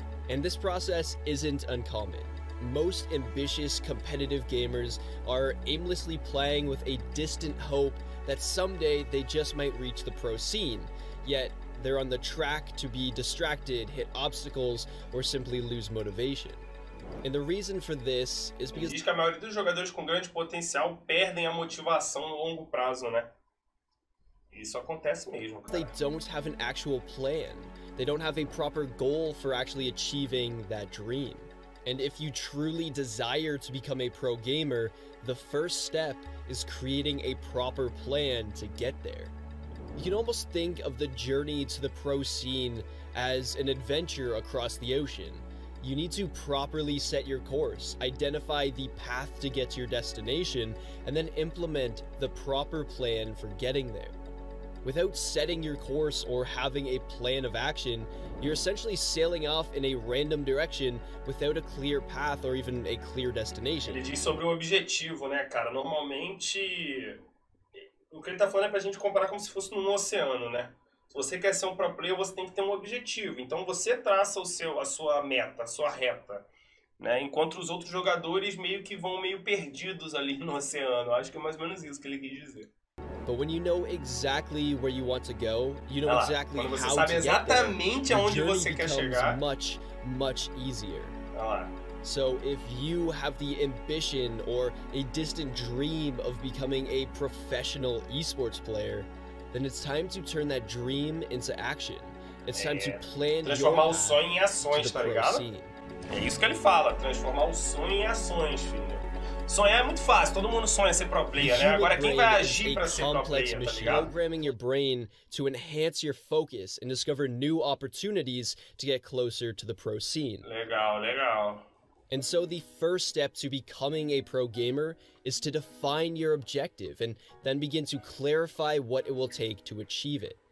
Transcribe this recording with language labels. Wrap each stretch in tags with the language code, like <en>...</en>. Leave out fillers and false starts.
<en>And this process isn't uncommon. Most ambitious competitive gamers are aimlessly playing with a distant hope that someday they just might reach the pro scene, yet they're on the track to be distracted, hit obstacles, or simply lose motivation. And the reason for this is because</en> <pt>a maioria dos jogadores com grande potencial perdem a motivação no longo prazo, né? Isso acontece mesmo, cara.</pt> <en>They don't have an actual plan. They don't have a proper goal for actually achieving that dream. And if you truly desire to become a pro gamer, the first step is creating a proper plan to get there. You can almost think of the journey to the pro scene as an adventure across the ocean. You need to properly set your course, identify the path to get to your destination, and then implement the proper plan for getting there. Without setting your course or having a plan of action, you're essentially sailing off in a random direction without a clear path or even a clear destination.</en> <pt>Ele diz sobre um objetivo, né, cara? Normalmente, o que ele tá falando é pra gente comparar como se fosse num oceano, né? Se você quer ser um pro player, você tem que ter um objetivo. Então você traça o seu, a sua meta, a sua reta, né? Enquanto os outros jogadores meio que vão meio perdidos ali no oceano. Acho que é mais ou menos isso que ele quis dizer.</pt> <en>But when you know exactly where you want to go, you know exactly how to get there, the journey becomes much, much easier. So if you have the ambition or a distant dream of becoming a professional esports player, then it's time to turn that dream into action. It's time to plan your path to the pro scene.</en> <pt>Transformar o sonho em ações, tá ligado? É isso que ele fala, transformar o sonho em ações, filho. Sonhar é muito fácil, todo mundo sonha ser pro player, né? Agora quem vai agir pra ser pro player, tá ligado?</pt> <en>Programming your brain to enhance your focus and discover new opportunities to get closer to the pro scene.</en> <pt>Legal, legal.</pt> <en>And so the first step to becoming a pro gamer is to define your objective and then begin to clarify what it will take to achieve it.</en>